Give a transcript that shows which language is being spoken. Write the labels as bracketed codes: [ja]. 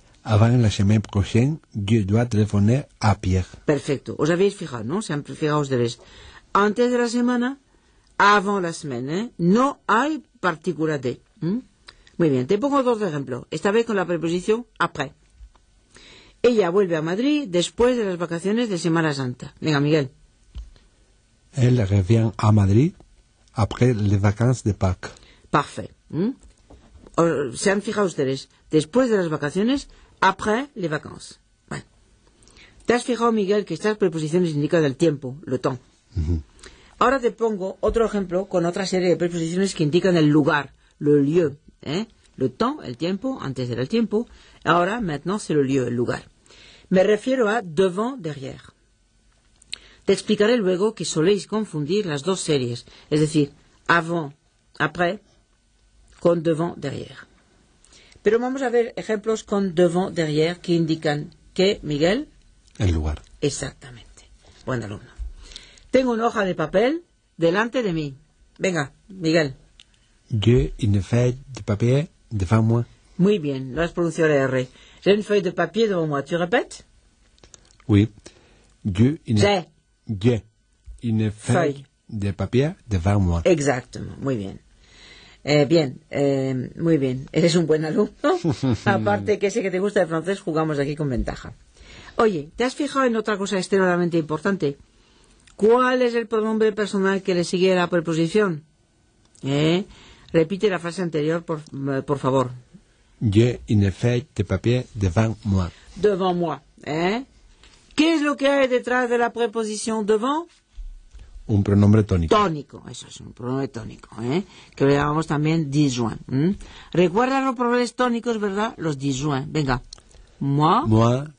[fr] Avant la semaine prochaine, je dois téléphoner à Pierre. [es] Perfecto. Os habéis fijado, ¿no? Se han fijado ustedes. Antes de la semana, [fr] avant la semaine, [es] ¿eh? No hay partícula de. Muy bien, te pongo dos ejemplos. Esta vez con la preposición après. Ella vuelve a Madrid después de las vacaciones de Semana Santa. Venga, Miguel. [fr] Elle revient à Madrid après les vacances de Pâques. Parfait. [es] Se han fijado ustedes. Después de las vacaciones, [fr] après les vacances. [es] Bueno. ¿Te has fijado, Miguel, que estas preposiciones indican el tiempo, le temps? Uh-huh. Ahora te pongo otro ejemplo con otra serie de preposiciones que indican el lugar, le lieu. Le temps, el tiempo, antes era el tiempo. Ahora, [fr] maintenant, c'est le lieu, [es] el lugar. Me refiero a devant, derrière. Te explicaré luego que soléis confundir las dos series, es decir, avant, après, con devant, derrière. Pero vamos a ver ejemplos con devant, derrière, que indican que, Miguel... El lugar. Exactamente. Buen alumno. Tengo una hoja de papel delante de mí. Venga, Miguel. [fr] J'ai une feuille de papier devant moi. [es] Muy bien, lo has pronunciado la R. [fr] J'ai une feuille de papier devant moi. [es] ¿Tú repites? [fr] Oui. J'ai une feuille de papier devant moi. Exactement, [es] muy bien. Muy bien. Eres un buen alumno. Aparte que sé que te gusta el francés, jugamos aquí con ventaja. Oye, ¿te has fijado en otra cosa extremadamente importante? ¿Cuál es el pronombre personal que le sigue a la preposición? Repite la frase anterior, por favor. [fr] J'ai une feuille de papier devant moi. Devant moi. [es] ¿Qué es lo que hay detrás de la preposición devant? Un pronombre tónico. Tónico, eso es, un pronombre tónico, que lo llamamos también disjoint. Recuerda los pronombres tónicos, ¿verdad? Los disjoint. Venga. Moi,